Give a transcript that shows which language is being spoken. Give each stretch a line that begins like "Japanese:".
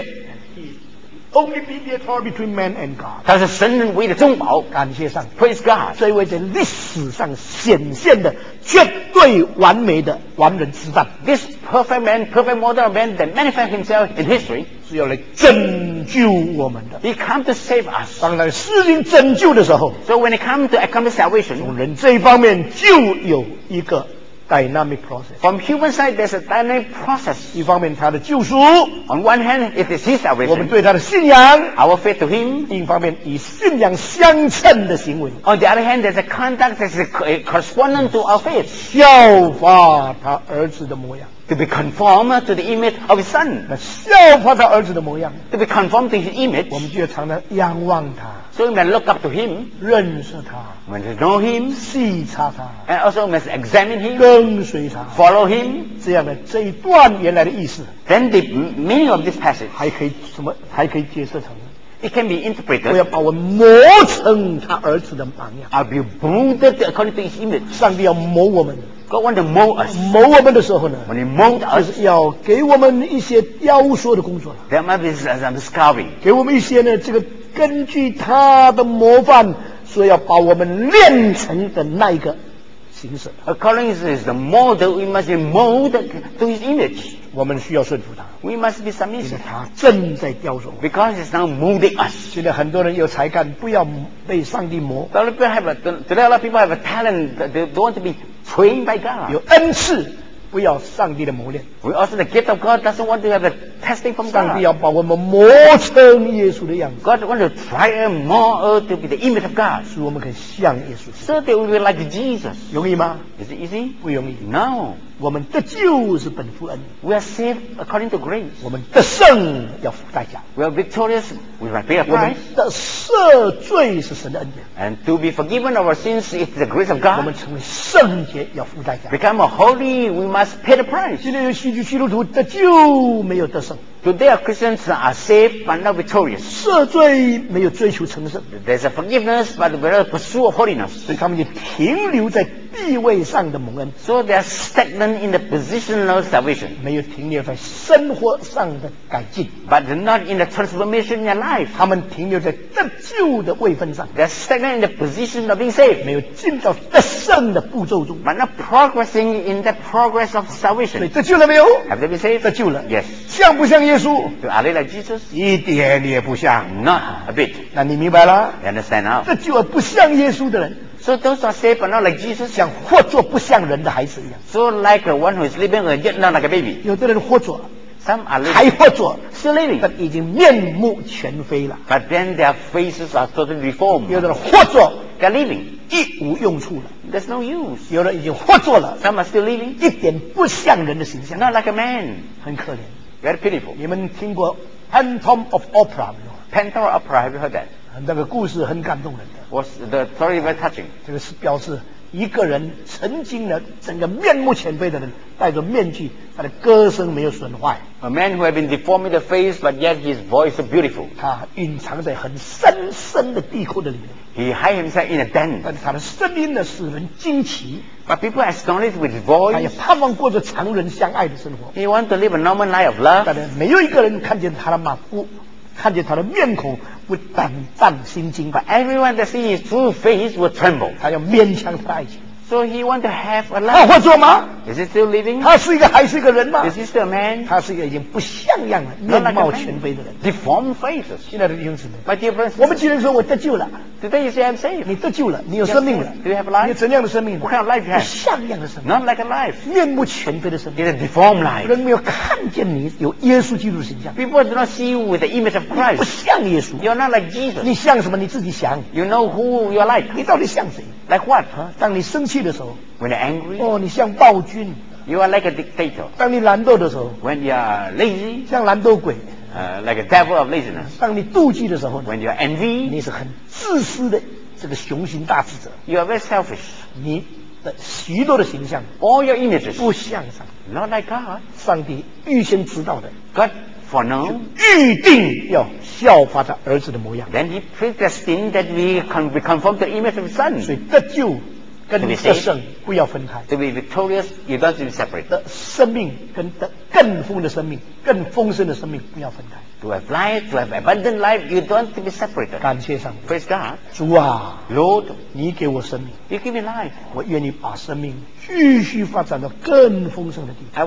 English: And he's only mediator between man and God.
Chinese: 他是神人唯一的中保。感谢上帝。
English: Praise God.
Chinese: 这位在历史上显现的绝对完美的完人之范。
English: This perfect man, perfect model of man that manifests himself in history.
Chinese: 是要来拯救我们的。
English: He come to save us.
Chinese: 当来施行拯救的时候
English: ，So when he come to accomplish salvation,
Chinese: 从人这一方面就有一个
English: dynamic process. From human side, there's a dynamic process.
Chinese: 一方面他的救赎
English: ，On one hand, it is his salvation.
Chinese: 我们对他的信仰
English: ，Our faith to him.
Chinese: 另一方面以信仰相称的行为
English: ，On the other hand, there's a conduct that is correspondent to our faith.
Chinese: 效法他儿子的模样。
English: to be conformed to the image of his son，
Chinese: 效法他儿子的模样。
English: to be conformed to his image，
Chinese: 我们就要常常仰望他。
English: So we must look up to him，
Chinese: 认识他。
English: We must know him，
Chinese: 细察他。
English: And also we must examine him，
Chinese: 跟随他。
English: Follow him，
Chinese: 这样的这一段原来的意思。
English: Then the meaning of this passage，
Chinese: 还可以什么？还可以解释成？
English: It can be interpreted.
Chinese: 我要把我磨成他儿子的榜样。
English: I'll be molded according to his image.
Chinese: 上帝要磨我们。
English: God wants to mold us.
Chinese: 磨我们的时候呢
English: ？When he molds us,
Chinese: 就是要给我们一些雕塑的工作了。
English: There might be some sculpting.
Chinese: 给我们一些呢，这个根据他的模范，所以要把我们练成的那一个形式。
English: According to his mold, we must be molded to his image.
Chinese: 我们需要顺服他。
English: We must be submissive.
Chinese: 因为他正在雕塑。
English: Because he's now molding us.
Chinese: 现在很多人有才干，不要被上帝磨。
English: A lot of people have a lot of people have a talent that they don't want to be trained by God.
Chinese: 有恩赐，不要上帝的磨练。
English: We also the gift of God doesn't want to have a testing from God.
Chinese: 上帝要把我们磨成耶稣的样子。
English: God wants to try and mold us to be the image of God.
Chinese: 使我们可以像耶稣。
English: So that we will be like Jesus.
Chinese: 容易吗？
English: Is it easy?
Chinese: 不容易。
English: No.
Chinese: 我们得救是本乎恩。
English: We are saved according to grace.
Chinese: 我们得胜要付代价。
English: We are victorious. We must pay a price.
Chinese: 我们得赦罪是神的恩典。
English: And to be forgiven of our sins is the grace of God.
Chinese: 我们成为圣洁要付代价。
English: Become holy. We must pay the price.
Chinese: 今天有许多基督徒得救没有得胜。
English: Today our Christians are saved but not victorious.
Chinese: 赦罪没有追求成圣。
English: There's a forgiveness but without pursuit of holiness.
Chinese: 所以他们就停留在地位上的蒙恩。
English: So they are stagnant in the position of salvation.
Chinese: 没有停留在生活上的改进。
English: But not in the transformation in their life.
Chinese: 他们停留在得救的位分上。
English: They are stagnant in the position of being saved.
Chinese: 没有进到得胜的步骤中。
English: But not progressing in the progress of salvation.
Chinese: 得救了没有？
English: Have they been saved?
Chinese: 得救了。
English: Yes.
Chinese: 像不像耶稣？
English: Are they like Jesus?
Chinese: 一点也不像。
English: Not a bit.
Chinese: 那你明白了？
English: You understand now?
Chinese: 这就不像耶稣的人。
English: So those are saved but not like Jesus.
Chinese: 像活作不像人的孩子一样。
English: So like one who is living a yet not like a baby.
Chinese: 有的人活作。
English: Some are living.
Chinese: 还活作。
English: Still living.
Chinese: 但已经面目全非了。
English: But then their faces are totally deformed.
Chinese: 有的人活作。
English: They're living.
Chinese: 一无用处了。
English: There's no use.
Chinese: 有的人已经活作了。
English: Some are still living.
Chinese: 一点不像人的形象。
English: Not like a man.
Chinese: 很可怜。
English: Very pitiful.
Chinese: 你们听过 Phantom of Opera 没有？
English: Phantom of Opera, have you heard that?
Chinese: 那个故事很感动人的。
English: Was the story very touching?
Chinese: 这个是表示一个人曾经的整个面目全非的人，戴着面具，他的歌声没有损坏。
English: A man who had been deformed in the face, but yet his voice is beautiful.
Chinese: 他隐藏在很深深的地库的里面。
English: He hid himself in a den.
Chinese: 但是他的声音呢，使人惊奇。
English: But people are astonished with his voice.
Chinese: 他也盼望过着常人相爱的生活。
English: He wants to live a normal life of love.
Chinese: 但是没有一个人看见他的马夫，看见他的面孔会胆战心惊。
English: But everyone that sees his true face will tremble.
Chinese: 他要勉强他的爱情。
English: So he wants to have a life.
Chinese: 他活着吗？
English: Is he still living?
Chinese: 他是一个还是一个人吗？
English: Is he still a man?
Chinese: 他是一个已经不像样了，面貌全非的人。
English: Deformed faces.
Chinese: 现在的弟兄姊妹。
English: My dear friends.
Chinese: 我们既然说我得救了。
English: Today you say I'm saved.
Chinese: 你得救了，你有生命了。
English: Do you have a life?
Chinese: 你怎样的生命？
English: What kind of life you have?
Chinese: 不像样的生命。
English: Not like a life.
Chinese: 面目全非的生命。
English: It's a deformed life.
Chinese: 人没有看见你有耶稣基督的形象。
English: People do not see you with the image of Christ.
Chinese: 不像耶稣。
English: You're not like Jesus.
Chinese: 你像什么？你自己想。
English: You know who you're like.
Chinese: 你到底像谁？
English: Like what?
Chinese: 当你生气的时候。
English: When you're angry.
Chinese: 哦，你像暴君。
English: You are like a dictator.
Chinese: 当你懒惰的时候。
English: When you're lazy.
Chinese: 像懒惰鬼。
English: Like a devil of laziness.
Chinese: 当你妒忌的时候呢
English: ？When you are envy,
Chinese: 你是很自私的这个雄心大志者。
English: You are very selfish.
Chinese: 你的许多的形象
English: ，all your images,
Chinese: 不像上帝。
English: Not like God.
Chinese: 上帝预先知道的
English: ，God foreknown,
Chinese: 预定要效法他儿子的模样。
English: Then he predestined that we can be conformed to the image of his son.
Chinese: 所以得救跟得胜不要分开。
English: To be victorious, you don't have to be separate.
Chinese: 的生命跟得更丰的生命，更丰盛的生命不要分开。
English: To have life, to have abundant life, you don't have to be separated.
Chinese: 感谢上帝。
English: Praise God.
Chinese: 主啊
English: ，Lord，
Chinese: 你给我生命。
English: You give me life.
Chinese: 我愿意把生命继续发展到更丰盛的地方。